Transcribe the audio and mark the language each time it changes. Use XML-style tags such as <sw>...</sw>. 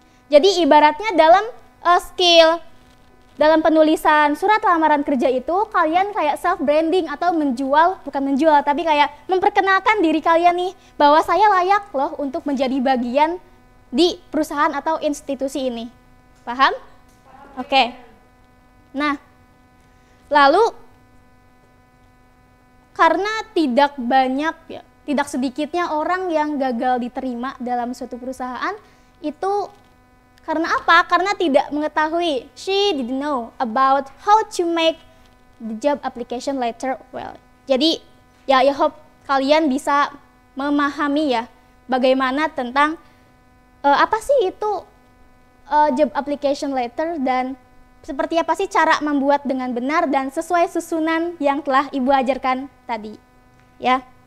<id>Jadi ibaratnya dalam skill dalam penulisan surat lamaran kerja itu kalian kayak self branding atau menjual, bukan menjual tapi kayak memperkenalkan diri kalian nih bahwa saya layak loh untuk menjadi bagian di perusahaan atau institusi ini. Paham? Oke. Okay. Nah, lalu karena tidak banyak ya, tidak sedikitnya orang yang gagal diterima dalam suatu perusahaan itu karena apa? Karena tidak mengetahui,</id> <en>she didn't know about how to make the job application letter well.</en> <id>Jadi, ya I hope kalian bisa memahami ya bagaimana tentang apa sih itu job application letter dan seperti apa sih cara membuat dengan benar dan sesuai susunan yang telah Ibu ajarkan tadi. Ya.</id>